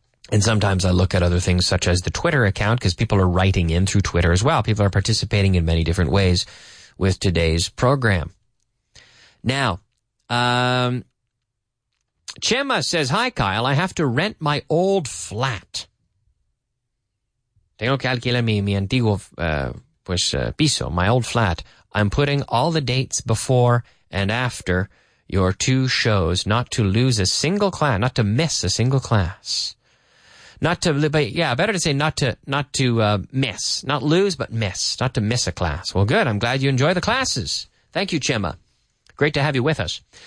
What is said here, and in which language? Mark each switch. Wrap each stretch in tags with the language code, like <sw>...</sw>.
<en>And sometimes I look at other things such as the Twitter account because people are writing in through Twitter as well. People are participating in many different ways with today's program. Now, Chema says, hi, Kyle, I have to rent my old flat.</en> <es>Tengo que alquilar mi antiguo piso,</es> <en>my old flat. I'm putting all the dates before and after your two shows, not to lose a single class, not to miss a single class. Not to miss a class. Well, good. I'm glad you enjoy the classes. Thank you, Chema. Great to have you with us.</en>